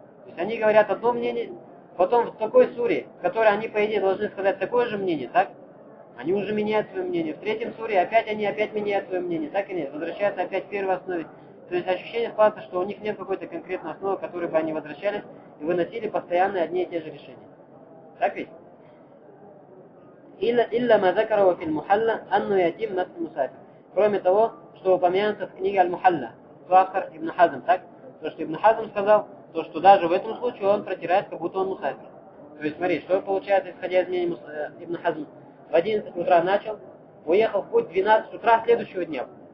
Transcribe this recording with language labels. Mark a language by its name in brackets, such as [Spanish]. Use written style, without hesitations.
[Russian] То есть они говорят одно мнение, потом в такой суре, в которой они, по идее, должны сказать такое же мнение, так? Они уже меняют свое мнение. В третьем суре опять меняют свое мнение, так или нет? Возвращаются опять к первой основе. То есть ощущение складывается, что у них нет какой-то конкретной основы, к которой бы они возвращались и выносили постоянно одни и те же решения. Так ведь? [Arabic] إلا ما ذكره في المحلة أنه يتم نفس المسافر. [Russian] кроме того, что упомянуто в книге Аль-Мухалла, автор Ибн Хазм, так? То, что Ибн Хазм сказал, то, что даже в этом случае он протирает, как будто он мусафир. То есть, смотри, что получается, исходя из мнения Ибн Хазм. В 11 утра начал, уехал в путь в 12 утра следующего дня.